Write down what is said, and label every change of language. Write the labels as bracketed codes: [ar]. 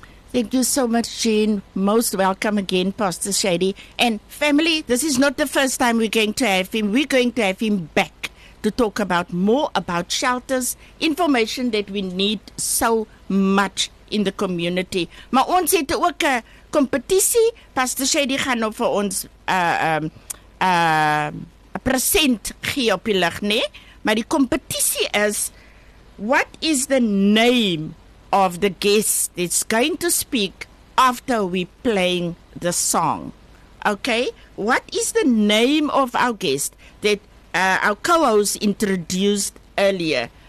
[en] Thank you so much, Jean. Most welcome again, Pastor Shady. And family, this is not the first time we're going to have him. We're going to have him back to talk about more about shelters, information that we need so much in the community. [af] Maar ons het ook 'n kompetisie. Pastor Shady gaan nou vir ons 'n present gee op die lig, nee? Maar die kompetisie is, [en] what is the name of the guest that's going to speak after we playing the song? Okay, what is the name of our guest that our co-host introduced earlier